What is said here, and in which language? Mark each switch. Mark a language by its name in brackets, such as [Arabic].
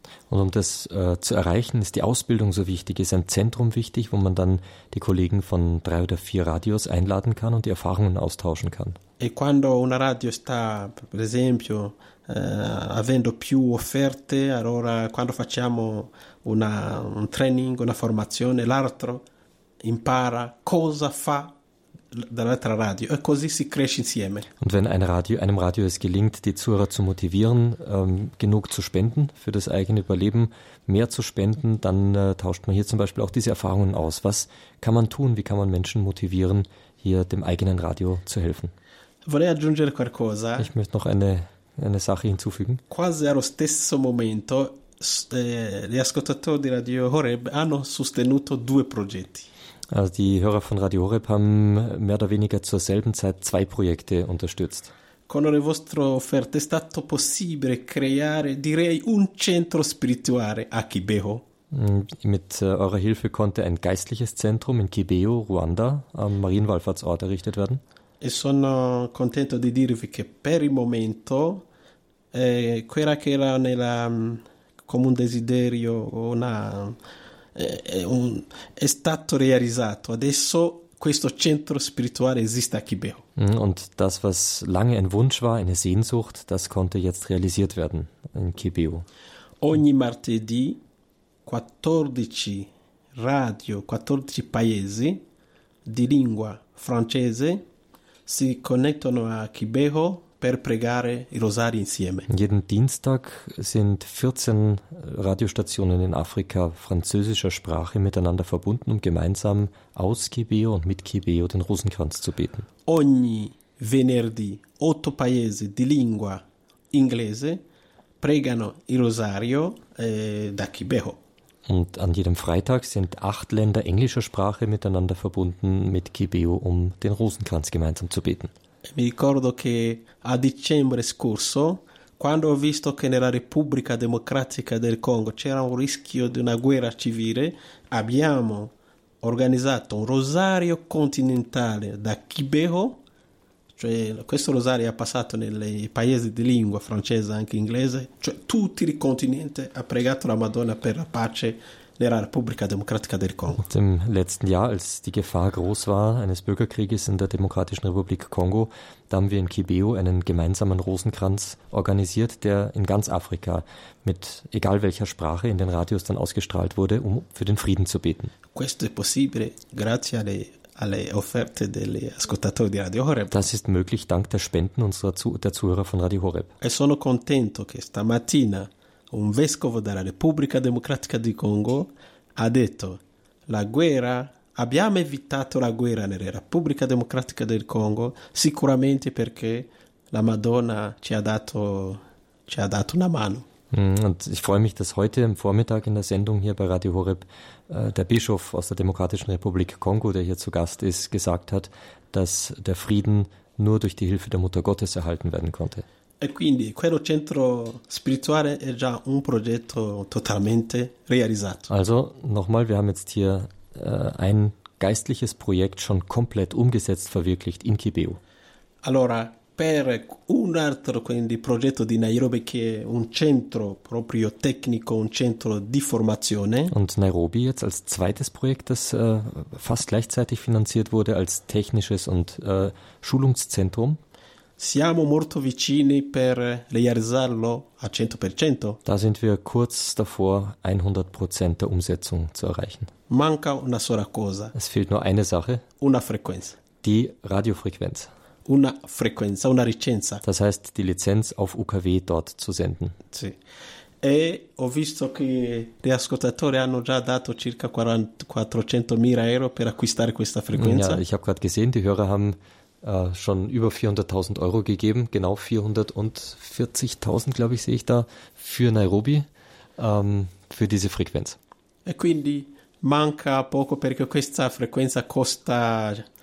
[German] Und um das zu erreichen, ist die Ausbildung so wichtig, ist ein Zentrum wichtig, wo man dann die Kollegen von 3 oder 4 Radios einladen kann und die Erfahrungen austauschen kann. [Italian] E quando una radio sta, per esempio, avendo più offerte, allora quando facciamo un training, una formazione, l'altro impara cosa fa dall'altra radio e così si cresce insieme. [German] Und wenn einem Radio es gelingt, die Zuhörer zu motivieren, genug zu spenden für das eigene Überleben, mehr zu spenden, dann tauscht man hier zum Beispiel auch diese Erfahrungen aus. Was kann man tun? Wie kann man Menschen motivieren, hier dem eigenen Radio zu helfen? [Italian] Vorrei aggiungere qualcosa. [German] Ich möchte noch eine Sache hinzufügen. [Italian] Quasi allo stesso momento gli ascoltatori di Radio Horeb hanno sostenuto 2 progetti. [German] Also die Hörer von Radio Horeb haben mehr oder weniger zur selben Zeit 2 Projekte unterstützt. [Italian] Con le vostre offerte è stato possibile creare, direi, un centro spirituale a Kibeho. [German] Mit eurer Hilfe konnte ein geistliches Zentrum in Kibeho, Ruanda, am Marienwallfahrtsort errichtet werden. [Italian] E sono contento di dirvi che per il momento quella che era nella come un desiderio è stato realizzato. Adesso questo centro spirituale esiste a Kibeho. [German] Und das, was lange ein Wunsch war, eine Sehnsucht, das konnte jetzt realisiert werden in Kibeho. [Italian] Ogni martedì 14 radio, 14 paesi di lingua francese si connettono a Kibeho per pregare i rosari insieme. [German] Jeden Dienstag sind 14 Radiostationen in Afrika französischer Sprache miteinander verbunden, um gemeinsam aus Kibeho und mit Kibeho den Rosenkranz zu beten. [Italian] Ogni venerdì 8 paesi di lingua inglese pregano il rosario da Kibeho. [German] Und an jedem Freitag sind 8 Länder englischer Sprache miteinander verbunden mit Kibeho, um den Rosenkranz gemeinsam zu beten. [Italian] Mi ricordo che a dicembre scorso, quando ho visto che nella Repubblica Democratica del Congo c'era un rischio di una guerra civile, abbiamo organizzato un rosario continentale da Kibeho, cioè questo rosario è passato nei paesi di lingua francese, anche inglese, cioè tutti i continenti ha pregato la Madonna per la pace nella Repubblica Democratica del Congo. [German] Im letzten Jahr, als die Gefahr groß war eines Bürgerkrieges in der Demokratischen Republik Kongo, da haben wir in Kibeo einen gemeinsamen Rosenkranz organisiert, der in ganz Afrika mit egal welcher Sprache in den Radios dann ausgestrahlt wurde, um für den Frieden zu beten. [Italian] Questo è possibile grazie alle offerte degli ascoltatori di Radio Horeb. [German] Das ist möglich dank der Spenden unserer der Zuhörer von Radio Horeb. [Italian] E sono contento che stamattina un vescovo della Repubblica Democratica di Congo ha detto la guerra, abbiamo evitato la guerra nella Repubblica Democratica del Congo sicuramente perché la Madonna ci ha dato una mano. [German] Und ich freue mich, dass heute am Vormittag in der Sendung hier bei Radio Horeb der Bischof aus der Demokratischen Republik Kongo, der hier zu Gast ist, gesagt hat, dass der Frieden nur durch die Hilfe der Mutter Gottes erhalten werden konnte. [Italian] E quindi quello centro spirituale è già un progetto totalmente realizzato. [German] Also nochmal, wir haben jetzt hier ein geistliches Projekt schon komplett umgesetzt, verwirklicht in Kibeo. [Italian] Allora, per un altro quindi progetto di Nairobi che è un centro proprio tecnico, un centro di formazione. [German] Und Nairobi jetzt als zweites Projekt, das fast gleichzeitig finanziert wurde als technisches und Schulungszentrum. [Italian] Siamo molto vicini per realizzarlo al 100%. [German] Da sind wir kurz davor, 100% der Umsetzung zu erreichen. [Italian] Manca una sola cosa. [German] Es fehlt nur eine Sache. [Italian] Una frequenza. [German] Die Radiofrequenz. [Italian] Una frequenza, una licenza. [German] Das heißt, die Lizenz auf UKW dort zu senden. [Italian] Sì. E ho visto che gli ascoltatori hanno già dato circa 400.000 euro per acquistare questa frequenza. [German] Ja, ich habe gerade gesehen, die Hörer haben schon über 400.000 Euro gegeben, genau 440.000, glaube ich, sehe ich da, für Nairobi, für diese Frequenz. [Italian] E quindi manca poco perché questa frequenza costa